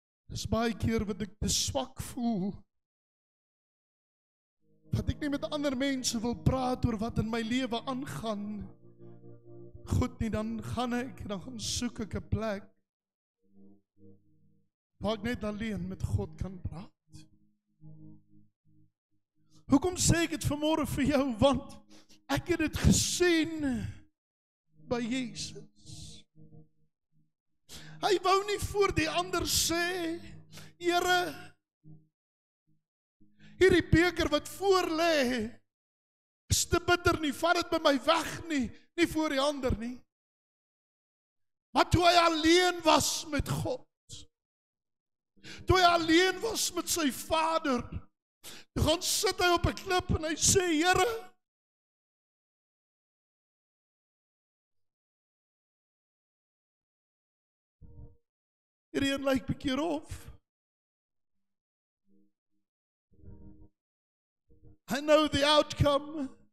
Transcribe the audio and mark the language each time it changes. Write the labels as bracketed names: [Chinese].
[Afrikaans] Dis baie keer wat ek te swak voel, dat ek nie met ander mense wil praat oor wat in my lewe aangaan. Goed nie, dan gaan ek, dan gaan soek ek 'n plek waar ek net alleen met God kan praat. Hoekom sê ek het vanmorgen vir jou? Want ek het het gesien by Jesus. Hy wou nie voor die ander sê, Here, hierdie beker wat voor lê, is te bitter nie, vat het by my weg nie, nie voor die ander nie. Maar toe hy alleen was met God, toe hy alleen was met sy vader, toe gaan sit hy op 'n klip en hy sê, Here, hierdie een lyk bietjie rof, [English] I know the outcome.